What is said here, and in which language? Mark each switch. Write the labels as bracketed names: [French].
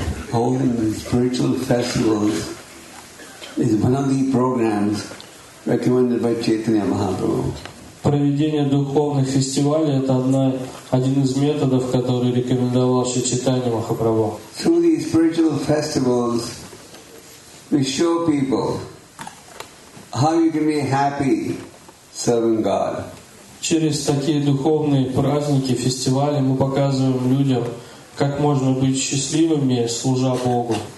[English] Holding the spiritual festivals is one of the programs recommended by Chaitanya Mahaprabhu. [Russian] Проведение духовных фестивалей это один из методов, который рекомендовал Шри Чайтанья Махапрабху. [English] Through these spiritual festivals, we show people how you can be happy serving God. [Russian] Через такие духовные праздники, фестивали мы показываем людям, как можно быть счастливыми, служа Богу.